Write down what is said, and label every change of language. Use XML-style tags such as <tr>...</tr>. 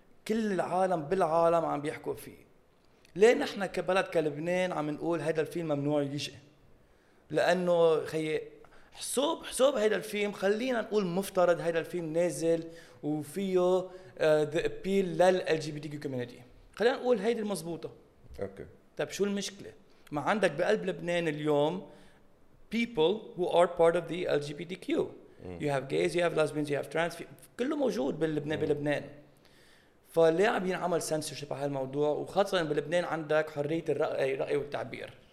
<ar>كل العالم بالعالم عم بيحكوا فيه. ليه نحن كبلد كلبنان عم نقول هذا الفيلم ممنوع يجي؟ لأنه خي حسوب هذا الفيلم خلينا نقول مفترض هذا الفيلم نازل وفيه</ar> <en>the appeal</en> <ar>لل LGBTQ community. خلينا نقول هذه المضبوطة. أوكي. طب شو المشكلة؟ ما عندك بقلب لبنان اليوم</ar> <en>people who are part of the</en> <ar>LGBTQ.</ar> <en>You have gays, you have lesbians, you have trans.</en> <ar>كله موجود باللبنان بلبنان. فليه عم ينعمل censorship على هالموضوع؟ وخاصة بلبنان عندك حرية الرأي والتعبير.</ar>